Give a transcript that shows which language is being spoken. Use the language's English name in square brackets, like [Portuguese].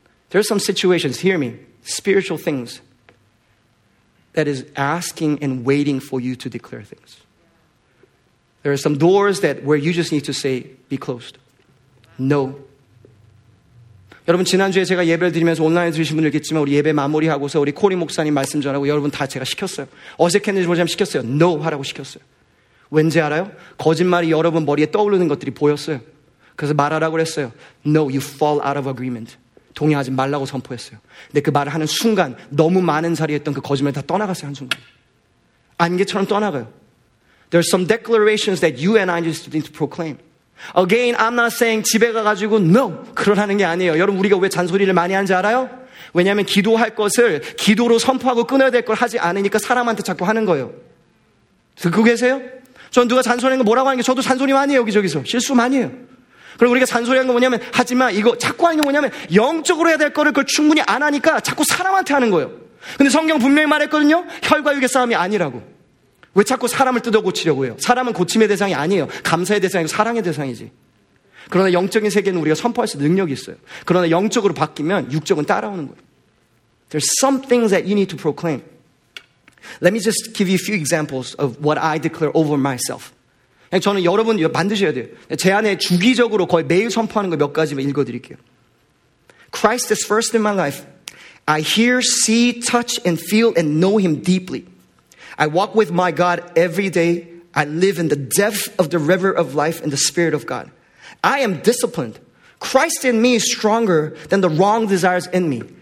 [English] There are some situations, hear me, spiritual things that is asking and waiting for you to declare things. There are some doors that where you just need to say, be closed. No. [Korean] 여러분 지난주에 제가 예배를 드리면서 온라인 들으신 분들 있겠지만 우리 예배 마무리하고서 우리 코리 목사님 말씀 전하고 여러분 다 제가 시켰어요. 어색했는지 모르지만 시켰어요. No 하라고 시켰어요. 왠지 알아요? 거짓말이 여러분 머리에 떠오르는 것들이 보였어요. 그래서 말하라고 했어요. [English] No, you fall out of agreement. [Korean] 동의하지 말라고 선포했어요. 근데 그 말을 하는 순간 너무 많은 자리에 있던 그 거짓말이 다 떠나갔어요. 한 순간. 안개처럼 떠나가요. [English] There are some declarations that you and I just need to proclaim. Again, I'm not saying [Korean] 집에 가가지고 no 그러라는 게 아니에요. 여러분 우리가 왜 잔소리를 많이 하는지 알아요? 왜냐하면 기도할 것을 기도로 선포하고 끊어야 될 걸 하지 않으니까 사람한테 자꾸 하는 거예요. 듣고 계세요? 전 누가 잔소리하는 거 뭐라고 하는 게 저도 잔소리 많이 해요 여기저기서. 실수 많이 해요. 그리고 우리가 잔소리한 건 뭐냐면 하지만 이거 자꾸 하는 게 뭐냐면 영적으로 해야 될 거를 그걸 충분히 안 하니까 자꾸 사람한테 하는 거예요. 근데 성경 분명히 말했거든요. 혈과 육의 싸움이 아니라고. 왜 자꾸 사람을 뜯어 고치려고 해요? 사람은 고침의 대상이 아니에요. 감사의 대상이고 사랑의 대상이지. 그러나 영적인 세계는 우리가 선포할 수 능력이 있어요. 그러나 영적으로 바뀌면 육적은 따라오는 거예요. [English] There's some things that you need to proclaim. Let me just give you a few examples of what I declare over myself. [Korean] 저는 여러분 만드셔야 돼요. 제 안에 주기적으로 거의 매일 선포하는 거 몇 가지만 읽어드릴게요. [English] Christ is first in my life. I hear, see, touch, and feel, and know him deeply. I walk with my God every day. I live in the depth of the river of life and the spirit of God. I am disciplined. Christ in me is stronger than the wrong desires in me.